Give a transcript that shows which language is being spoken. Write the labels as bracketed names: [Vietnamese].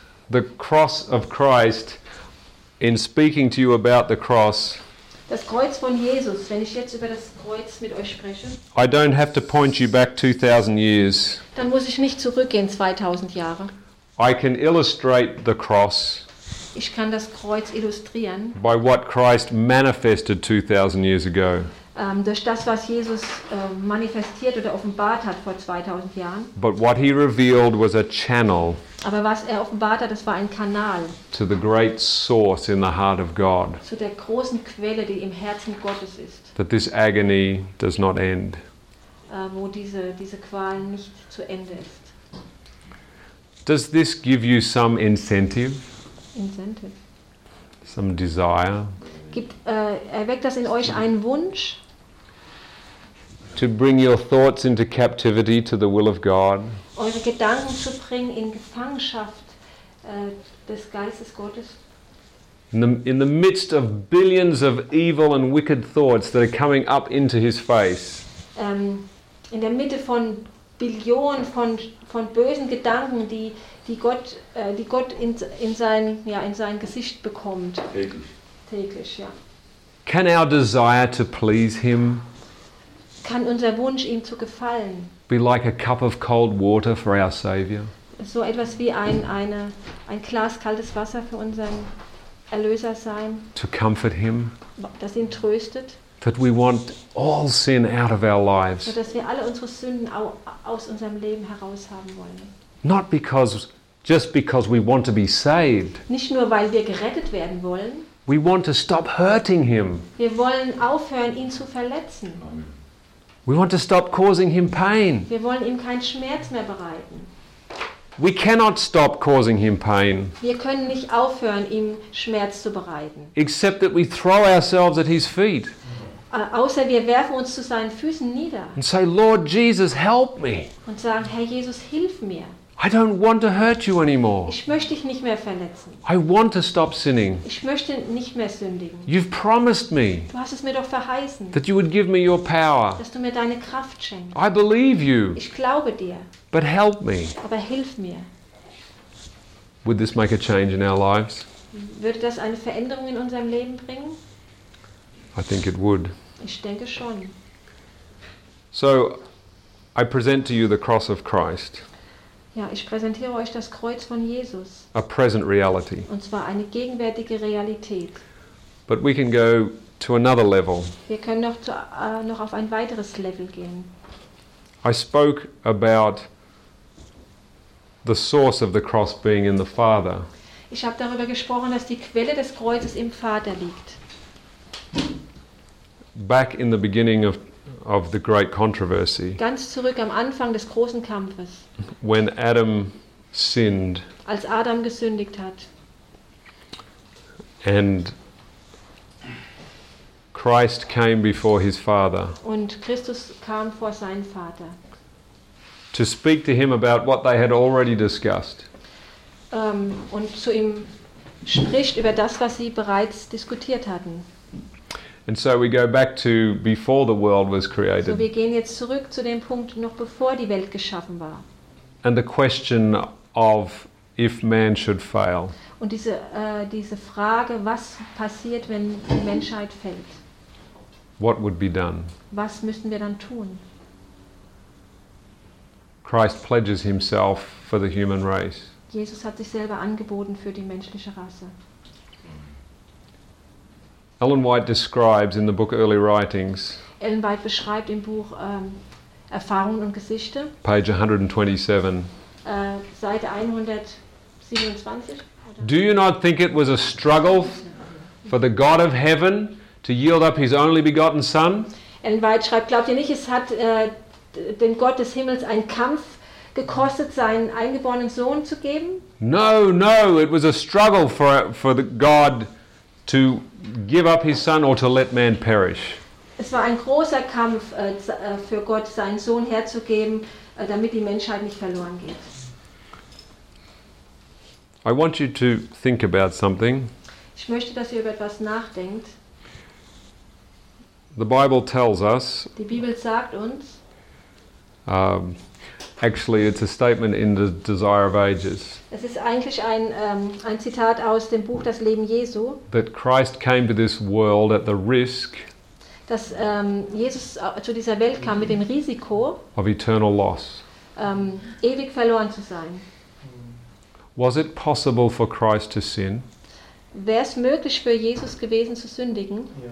[English] The cross of Christ, in speaking to you about the cross. [German] Das Kreuz von Jesus, wenn ich jetzt über das Kreuz mit euch spreche. [English] I don't have to point you back 2000 years. [German] Dann muss ich nicht zurückgehen 2000 Jahre. [English] I can illustrate the cross. [German] Ich kann das Kreuz illustrieren. [English] By what Christ manifested 2000 years ago. [German] Durch das, was Jesus manifestiert oder offenbart hat vor 2000 Jahren. [English] But what he revealed was a channel. [German] Aber was er offenbart hat, das war ein Kanal. [English] To the great source in the heart of God. [German] Zu der großen Quelle, die im Herzen Gottes ist. [English] That this agony does not end. [German] Wo diese Qual nicht zu Ende ist. [English] Does this give you some incentive? Incentive. Some desire? [German] Erweckt das in euch einen Wunsch? [English] To bring your thoughts into captivity to the will of God? [German] Eure Gedanken zu bringen in Gefangenschaft des Geistes Gottes? [English] In the midst of billions of evil and wicked thoughts that are coming up into his face. [German] In der Mitte von Billionen von bösen Gedanken, die Gott in sein Gesicht bekommt. Täglich, ja. [English] Can our desire to please him? [German] Kann unser Wunsch ihm zu gefallen? [English] Be like a cup of cold water for our Savior. [German] So etwas wie ein Glas kaltes Wasser für unseren Erlöser sein. [English] To comfort him. [German] Das ihn tröstet. [English] That we want all sin out of our lives. [German] Dass wir alle unsere Sünden aus unserem Leben heraus haben wollen. [English] Not because, just because we want to be saved. [German] Nicht nur weil wir gerettet werden wollen. [English] We want to stop hurting him. [German] Wir wollen aufhören, ihn zu verletzen. [English] We want to stop causing him pain. [German] Wir wollen ihm keinen Schmerz mehr bereiten. [English] We cannot stop causing him pain. [German] Wir können nicht aufhören, ihm Schmerz zu bereiten. [English] Except that we throw ourselves at his feet. [German] Außer wir werfen uns zu seinen Füßen nieder. [English] And say, Lord Jesus, help me. [German] Und sagen, Herr Jesus, hilf mir. [English] I don't want to hurt you anymore. [German] Ich möchte dich nicht mehr verletzen. [English] I want to stop sinning. [German] Ich möchte nicht mehr sündigen. [English] You've promised me. [German] Du hast es mir doch verheißen. [English] That you would give me your power. [German] Dass du mir deine Kraft schenkst. [English] I believe you. [German] Ich glaube dir. [English] But help me. [German] Aber hilf mir. [English] Would this make a change in our lives? [German] Würde das eine Veränderung in unserem Leben bringen? [English] I think it would. [German] Ich denke schon. [English] So, I present to you the cross of Christ. [German] Ja, ich präsentiere euch das Kreuz von Jesus. [English] A present reality. [German] Und zwar eine gegenwärtige Realität. [English] But we can go to another level. [German] Wir können noch auf ein weiteres Level gehen. [English] I spoke about the source of the cross being in the Father. [German] Ich habe darüber gesprochen, dass die Quelle des Kreuzes im Vater liegt. [English] Back in the beginning of the great controversy. [German] Ganz zurück am Anfang des großen Kampfes. [English] When Adam sinned. [German] Als Adam gesündigt hat. [English] And Christ came before his Father. [German] Und Christus kam vor seinen Vater. [English] To speak to him about what they had already discussed. [German] Und zu ihm spricht über das, was sie bereits diskutiert hatten. [English] And so we go back to before the world was created. [German] So wir gehen jetzt zurück zu dem Punkt, noch bevor die Welt geschaffen war. [English] And the question of if man should fail. [German] Und diese Frage, was passiert, wenn die Menschheit fällt? [English] What would be done? [German] Was müssen wir dann tun? [English] Christ pledges himself for the human race. [German] Jesus hat sich selber angeboten für die menschliche Rasse. [English] Ellen White describes in the book Early Writings. [German] Ellen White beschreibt im Buch Erfahrungen und Geschichte. [English] Page 127. [German] Seite 127. [English] Do you not think it was a struggle for the God of heaven to yield up his only begotten Son? [German] Ellen White schreibt, glaubt ihr nicht, es hat den Gott des Himmels einen Kampf gekostet, seinen eingeborenen Sohn zu geben? [English] No, no, it was a struggle for the God to give up his son or to let man perish. [German] Es war ein großer Kampf für Gott, seinen Sohn herzugeben, damit die Menschheit nicht verloren geht. [English] I want you to think about something. [German] Ich möchte, dass ihr über etwas nachdenkt. [English] The Bible tells us. [German] Die Bibel sagt uns. [English] Actually, it's a statement in the Desire of Ages. [German] Es ist eigentlich ein Zitat aus dem Buch Das Leben Jesu. [English] That Christ came to this world at the risk. [German] Dass Jesus zu dieser Welt kam mit dem Risiko. [English] Of eternal loss. [German] Ewig verloren zu sein. [English] Was it possible for Christ to sin? [German] Wäre es möglich für Jesus gewesen zu sündigen?